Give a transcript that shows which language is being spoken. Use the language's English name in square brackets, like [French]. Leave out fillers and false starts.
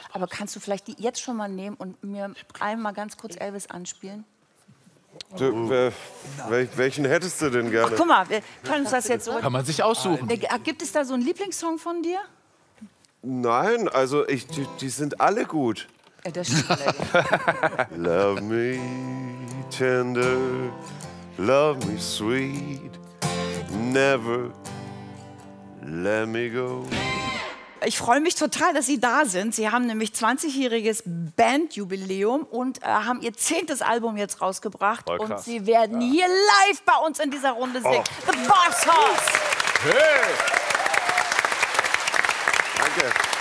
[German] Aber kannst du vielleicht die jetzt schon mal nehmen und mir einmal ganz kurz Elvis anspielen? Du, welchen hättest du denn gerne? Ach, guck mal, wir können uns das jetzt so... Kann man sich aussuchen. Gibt es da so einen Lieblingssong von dir? Nein, also die sind alle gut. Das [English] Love me tender, love me sweet, never let me go. [German] Ich freue mich total, dass Sie da sind. Sie haben nämlich 20-jähriges Bandjubiläum und haben Ihr 10. Album jetzt rausgebracht. Voll krass. Und Sie werden hier live bei uns in dieser Runde singen. Oh. The Boss Hoss! Hey. Danke.